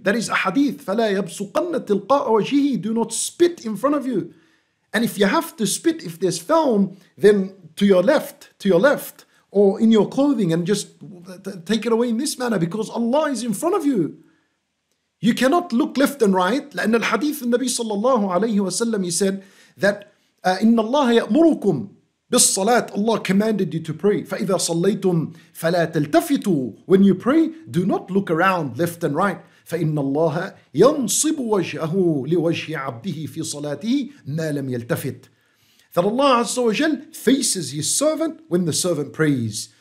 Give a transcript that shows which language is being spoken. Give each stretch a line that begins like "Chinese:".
English: That is a hadith.
Arabic: فَلَا يَبْسُقَنَّ تِلْقَاءَ وَجِهِ.
English: Do not spit in front of you. And if you have to spit, if there's film, then to your left, or in your clothing, and just take it away in this manner, because Allah is in front of you. You cannot look left and right.
Arabic: لأن الحديث النبي صلى الله عليه وسلم,
English: he said that
Arabic: إِنَّ اللَّهَ يَأْمُرُكُمْ بِالصَّلَاةِ.
English: Allah commanded you to pray.
Arabic: فَإِذَا صَلَّيْتُمْ فَلَا تَلْتَفِتُوا.
English: When you pray, do not look around left and right.
Arabic: فَإِنَّ اللَّهَ يَنْصِبُ وَجْهَهُ لِوَجْهِ عَبْدِهِ فِي صَلَاتِهِ مَا لَمْ يَلْتَفِتْ.
English: That Allah Azza wa Jal faces his servant when the servant prays.